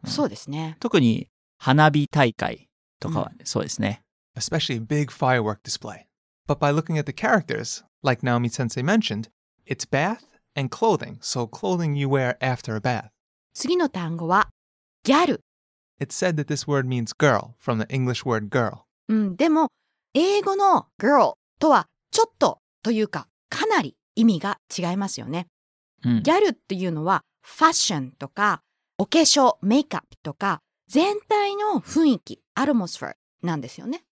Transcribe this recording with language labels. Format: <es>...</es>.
<ja>そうですね。特に花火大会とかはそうですね。</ja> <en>Especially big firework display. But by looking at the characters, like Naomi-sensei mentioned, it's bath and clothing, so clothing you wear after a bath.</en> <ja>次の単語はギャル。</ja> <en>It's said that this word means girl, from the English word girl.</en> <ja>うん、でも英語の girl とはちょっとというかかなり意味が違いますよね。ギャルっていうのはファッションとかお化粧、メイクアップとか全体の雰囲気、アトモスフェアなんですよね。</ja>